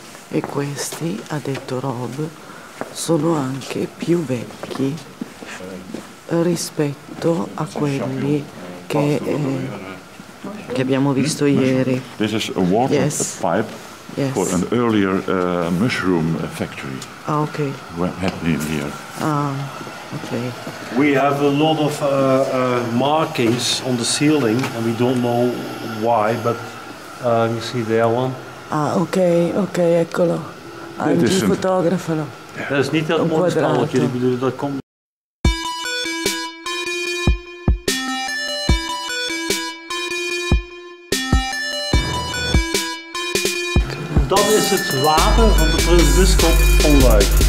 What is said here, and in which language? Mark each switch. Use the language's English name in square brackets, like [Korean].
[Italian] E questi, ha detto Rob, sono anche più vecchi rispetto a quelli che abbiamo visto ieri. [English] This is a water pipe for an earlier mushroom factory. Ah, okay. Happening here. Ah, okay. We have a lot of markings on the ceiling and we don't know why, but you see there one. [Italian] Ah, ok, eccolo. Anche il fotografo. No. [English] Yeah. [Dutch] Niet dat mooie stalletje, ik bedoel dat komt. Dat is het water van de bisschop van Luik.